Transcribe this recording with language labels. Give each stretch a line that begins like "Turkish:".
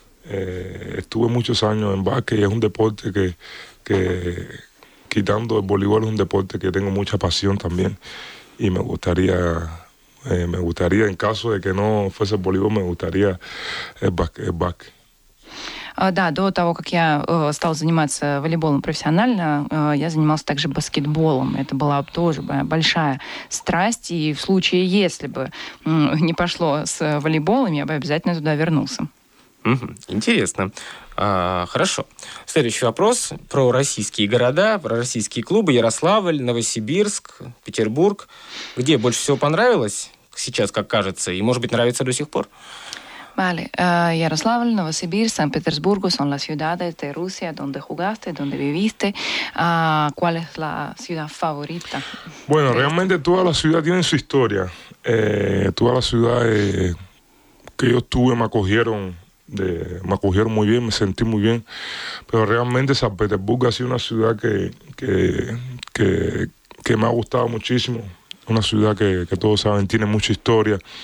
Spanish: Estuve muchos años en básquet y es un deporte que quitando el voleibol, es un deporte que tengo mucha pasión también y me gustaría, en caso de que no fuese el voleibol, me gustaría el básquet.
Russian: Да, до того, как я стал заниматься волейболом профессионально, я занимался также баскетболом. Это была тоже большая страсть. И в случае, если бы не пошло с волейболом, я бы обязательно туда вернулся. Интересно. Хорошо. Следующий вопрос про российские города, про российские клубы. Ярославль, Новосибирск, Петербург. Где больше всего понравилось сейчас, как кажется, и, может быть, нравится до сих пор?
Spanish: Vale. Ярославль, Новосибирск, Санкт-Петербург son las ciudades de Rusia donde jugaste, donde viviste. ¿Cuál es la ciudad favorita? Bueno, realmente toda la ciudad tiene su historia. Toda la ciudad que yo estuve me acogieron muy bien, me sentí muy bien, pero realmente San Petersburgo ha sido una ciudad que me ha gustado muchísimo, una ciudad que todos saben tiene mucha historia.